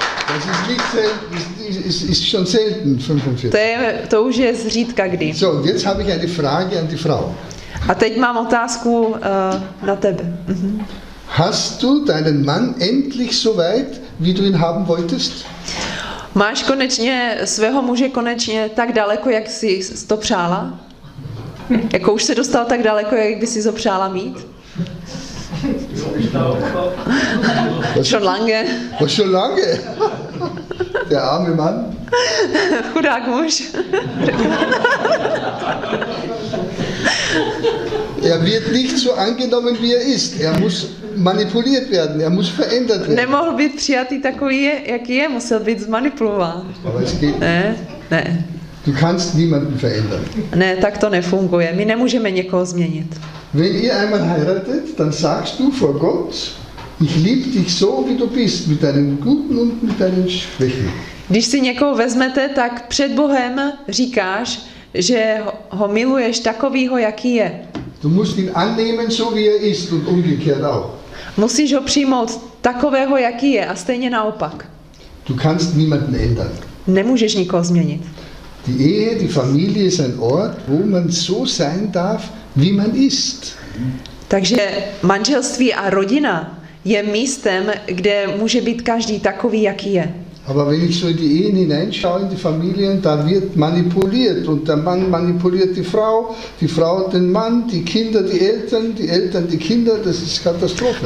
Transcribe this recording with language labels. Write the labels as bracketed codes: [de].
[de] Das ist nicht ist schon selten 45. [cs] To už je zřídka kdy. [de] So, jetzt habe ich eine Frage an die Frau. [cs] A teď mám otázku na tebe. [de] Hast du deinen Mann endlich so weit, wie du ihn haben wolltest? [cs] Máš konečně svého muže konečně tak daleko, jak jsi to přála? Jako už se dostal tak daleko, jak by si to přála mít? [de] Schon lange. Schon lange. Der arme Mann. [cs] Chudák muž. [de] Er wird nicht so angenommen, wie er ist. Er muss manipuliert werden. Er muss verändert werden. [cs] Nemohl být přijatý takový, jaký je, musel být zmanipulován. [de] Aber es geht [cs] ne, ne. [de] Du kannst niemanden verändern. [cs] Ne, tak to nefunguje. My nemůžeme někoho změnit. [de] Wenn ihr einmal heiratet, dann sagst du vor Gott, ich liebe dich so, wie du bist, mit deinen guten und mit deinen Schwächen. [cs] Když si někoho vezmete, tak před Bohem říkáš, že ho miluješ takovýho, jaký je. [de] Du musst ihn annehmen, so wie er ist und umgekehrt auch. [cs] Musíš ho přijmout takového, jaký je, a stejně naopak. [de] Du kannst niemanden ändern. [cs] Nemůžeš nikoho změnit. [de] Die Ehe, die Familie ist ein Ort, wo man so sein darf, wie man ist. [cs] Takže manželství a rodina je místem, kde může být každý takový, jaký je. [de] Aber wenn ich so in die Ehen hineinschaue, in die Familien, da wird manipuliert und der Mann manipuliert die Frau den Mann, die Eltern die Kinder, das ist Katastrophe.